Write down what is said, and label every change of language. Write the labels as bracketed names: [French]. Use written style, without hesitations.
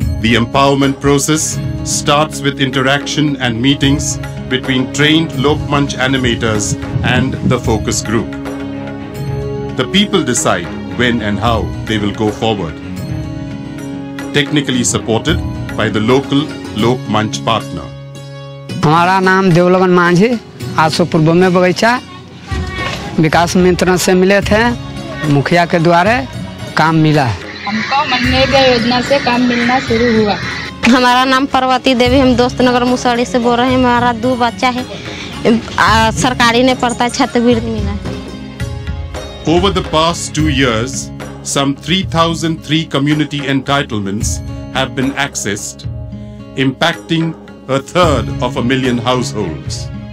[English] The empowerment process starts with interaction and meetings between trained Lokmanch animators and the focus group. The people decide when and how they will go forward, technically supported by the local Lokmanch partner. Our name is Devlogan Manji. [Hindi] आज सुपुर में बगीचा विकास मित्र से मिले थे, मुखिया के द्वारे काम मिला है। हमको मनरेगा योजना से काम मिलना शुरू हुआ। हमारा नाम पार्वती देवी, हम दोस्त नगर मुसाड़ी से बोल रहे हैं। हमारा दो बच्चा है, सरकारी ने पढ़ता छात्रवृत्ति मिला। [English] Over the past 2 years, some 3,003 community entitlements have been accessed, impacting a third of a million households.